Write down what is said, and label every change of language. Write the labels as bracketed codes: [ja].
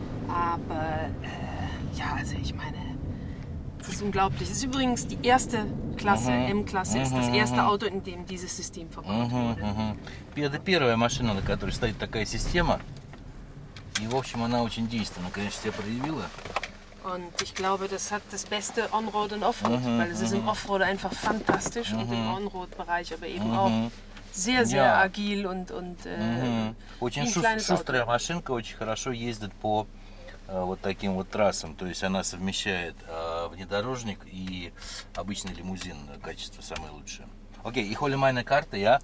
[de] Aber, ja, also ich meine, das ist unglaublich. Das ist übrigens die erste Klasse, M-Klasse, ist das erste Auto, in dem dieses System verbaut wurde. [ru] Первая машина, на которой стоит такая система, и в общем она очень действенна, конечно, себя проявила. [de] Und ich glaube, das hat das beste On-Road und Off-Road, weil es ist im Off-Road einfach fantastisch und im On-Road-Bereich aber eben auch sehr, sehr agil und [ru] очень шустрая машинка, очень хорошо ездит по вот таким вот трассам, то есть она совмещает внедорожник и обычный лимузин, качество самое лучшее. Окей, [de] ich hole meine Karte, ja?